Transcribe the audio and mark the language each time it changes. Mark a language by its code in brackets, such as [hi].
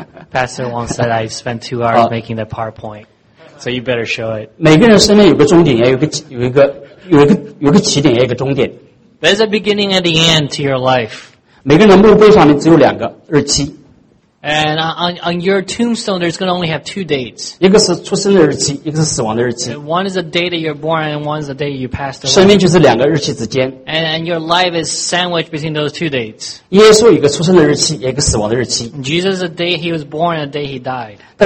[en] Pastor once said I spent 2 hours making that PowerPoint. So you better show it. [zh] 每个人生命有个终点，也有个起点，也有个终点。 [en] There's a beginning and the end to your life. [zh] 每个人墓碑上面只有两个日期。 [en] And on your tombstone, there's going to only have two dates. [zh] 一个是出生的日期，一个是死亡的日期。 [en] One is the day that you're born, and one is the day you passed away. [zh] 生命就是两个日期之间。 [en] And your life is sandwiched between those two dates. [zh] 耶稣一个出生的日期，一个死亡的日期。Jesus, [en] the day he was born, and the day he died.